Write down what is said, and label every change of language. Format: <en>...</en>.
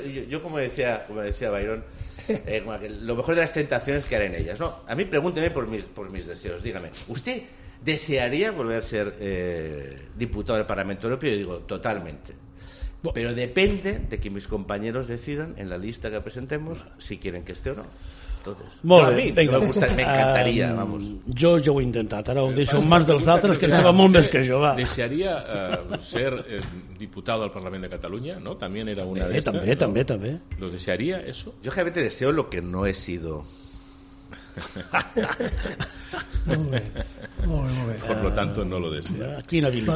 <es>Yo, como decía Byron, lo mejor de las tentaciones que harán ellas, ¿no? A mí pregúnteme por mis deseos, dígame, ¿usted desearía volver a ser diputado del Parlamento Europeo? Yo digo, totalmente. Pero depende de que mis compañeros decidan en la lista que presentemos si quieren que esté o no. Entonces,</es> <ca>molt bé,</ca> <es>a mi me gusta, me encantaria, vamos.</es> <ca>Jo ho he intentat, ara ho deixo en mans dels altres, que en sabem molt més que jo, va.</ca> <es>Desearia ser diputado al Parlament de Catalunya, ¿no? También era una de estas. També, ¿no? També. ¿Lo desearía eso? Yo realmente deseo lo que no he sido.</es> <ca>Molt bé.</ca> <es>Por lo tanto, no lo deseo.</es> <ca>Quina vida.</ca>